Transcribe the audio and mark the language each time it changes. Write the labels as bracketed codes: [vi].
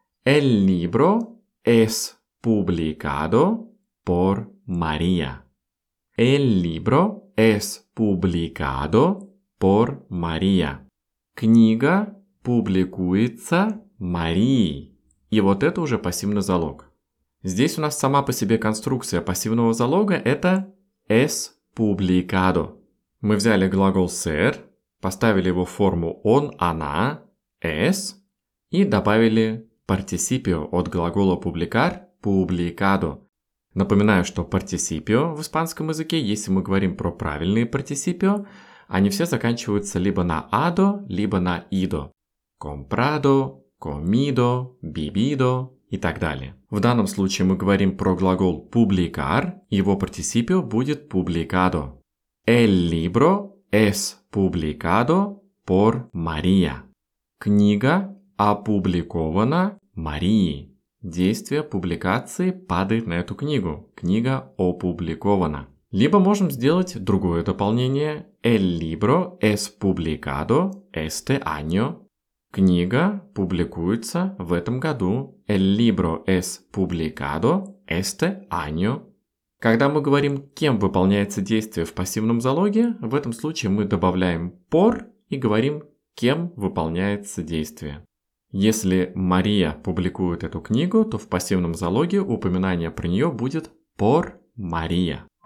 [es] Эль либро es publicado por María. El libro es publicado por María. [ru] Книга публикуется Марией. И вот это уже пассивный залог. Здесь у нас сама по себе конструкция пассивного залога – это [es] es publicado. [ru] Мы взяли глагол ser, поставили его в форму он, она, es, и добавили participio от глагола publicar – publicado. Напоминаю, что participio в испанском языке, если мы говорим про правильные participio, они все заканчиваются либо на ado, либо на ido. [es] Comprado, comido, bebido [ru] и так далее. В данном случае мы говорим про глагол publicar, его participio будет publicado. [es] El libro es publicado por Maria. [ru] Книга опубликована Марией. Действие публикации падает на эту книгу. Книга опубликована. Либо можем сделать другое дополнение. [es] El libro es publicado este año. [ru] Книга публикуется в этом году. [es] El libro es publicado este año. [ru] Когда мы говорим, кем выполняется действие в пассивном залоге, в этом случае мы добавляем por и говорим, кем выполняется действие. Если Мария публикует эту книгу, то в пассивном залоге упоминание про нее будет [es] por Maria.